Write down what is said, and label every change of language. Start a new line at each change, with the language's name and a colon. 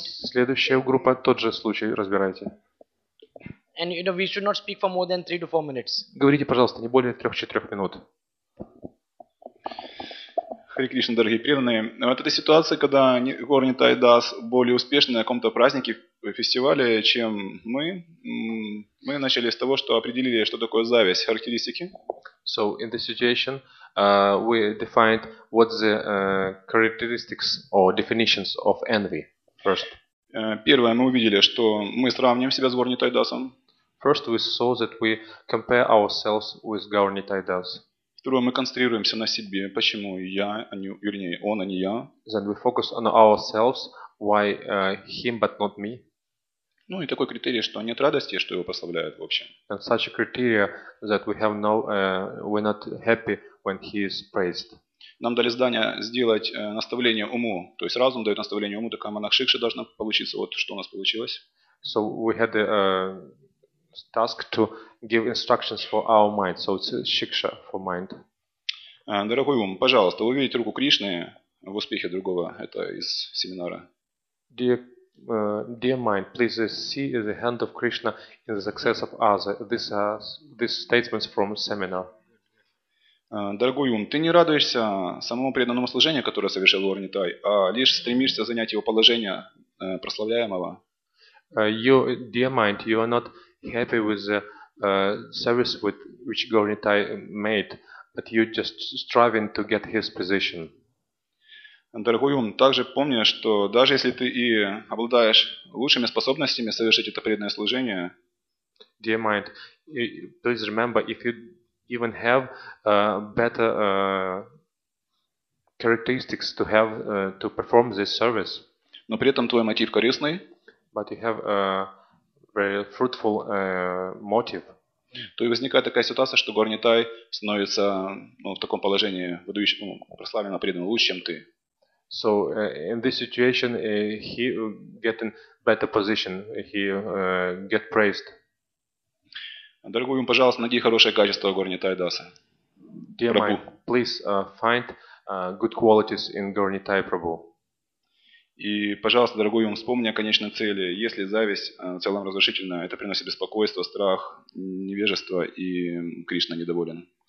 Russian: Следующая группа, тот же случай, разбирайте.
English: And you know, we should not speak for more than 3-4 minutes.
Russian: Говорите, пожалуйста, не более 3-4 минут. Хари Кришна, дорогие преданные. Вот эта ситуация, когда Горни Тай Дас более успешны на каком-то празднике, фестивале, чем мы. Мы начали с того, что определили, что такое зависть. Характеристики.
English: So, in this situation, we defined what the characteristics or definitions of envy. First.
Russian: Первое, мы увидели, что мы сравним себя с Горни Тай Дасом.
English: First, we saw that we compare ourselves with Горни Тай Дас.
Russian: Второе, мы концентрируемся на себе, почему я, а не, вернее, он, а не я.
English: Then we focus on ourselves, why him, but not me.
Russian: Ну и такой критерий, что нет радости, что его прославляют в общем.
English: And such a criteria that we have no, we're not happy when he is praised.
Russian: Нам дали задание сделать наставление уму, то есть разум дает наставление уму, такая манакшикша должна получиться, вот что у нас получилось.
English: So we had a task to give instructions for our mind, so it's a shiksha for mind.
Russian: Дорогой ум, пожалуйста, увидеть руку Кришны в успехе другого, это из семинара.
English: Dear mind, please see the hand of Krishna in the success of others. This statements from seminar.
Russian: Дорогой ум, ты не радуешься самому преданному служению, которое совершил Горни Тай, а лишь стремишься занять его положение прославляемого.
English: Dear mind, you are not happy with the service with which Горни Тай made, but you just striving to get his position.
Russian: Дорогой ум, также помни, что даже если ты и обладаешь лучшими способностями совершить это преданное служение,
English: dear mind, please remember, if you even have better characteristics to have to perform this service,
Russian: но при этом твой мотив корыстный,
English: but you have very fruitful motive.
Russian: То и возникает такая ситуация, что Горни Тай становится в таком положении прославленно предан лучше, чем ты.
English: So in this situation he get in better position, he get praised.
Russian: Дорогой ум, пожалуйста, найди хорошее качество Горни Тай Даса.
English: Dear mind, please find good qualities in Горни Тай Прабху.
Russian: И, пожалуйста, дорогой ум, вспомни о конечной цели. Если зависть в целом разрушительна, это приносит беспокойство, страх, невежество, и Кришна недоволен.